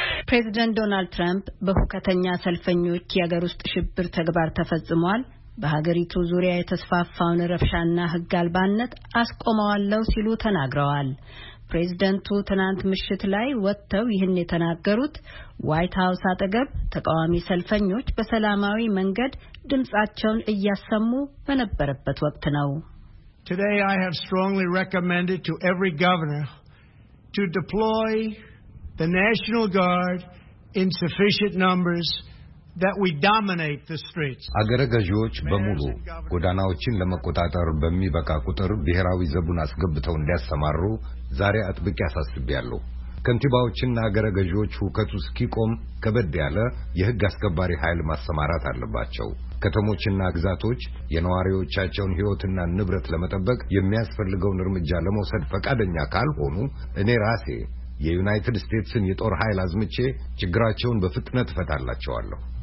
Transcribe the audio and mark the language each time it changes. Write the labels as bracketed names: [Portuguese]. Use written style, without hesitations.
[Amharic] ፕሬዚደንት ዶናልድ ትራምፕ በሁከተኛ ሰልፈኞች የሀገር ውስጥ ሽብር ተግባር ተፈጽሟል፣ በሀገሪቱ ዙሪያ የተስፋፋውን ረብሻና ህግ አልባነት አስቆመዋለሁ ሲሉ ተናግረዋል። ፕሬዚደንቱ ትናንት ምሽት ላይ ወጥተው ይህን የተናገሩት ዋይት ሀውስ አጠገብ ተቃዋሚ ሰልፈኞች በሰላማዊ መንገድ ድምጻቸውን እያሰሙ በነበረበት ወቅት ነው። [English] Today I have strongly recommended to every governor to deploy the National Guard in sufficient numbers that we dominate the streets. [Amharic] አገረገዥዎች በሙሉ ጎዳናዎችን ለመቆጣጠር በሚበቃ ቁጥር ብሔራዊ ዘቡን አስገብተው እንዲያሰማሩ ዛሬ አጥብቄ አሳስባለሁ። ከንቲባዎችና አገረገዥዎች ሁከቱ እስኪቆም ከበድ ያለ የህግ አስከባሪ ኃይል ማሰማራት አለባቸው። ከተሞችና ግዛቶች የነዋሪዎቻቸውን ህይወትና ንብረት ለመጠበቅ የሚያስፈልገውን እርምጃ ለመውሰድ ፈቃደኛ ካልሆኑ እኔ ራሴ የዩናይትድ ስቴትስን የጦር ኃይል አዝምቼ ችግራቸውን በፍጥነት ፈታላቸዋለሁ።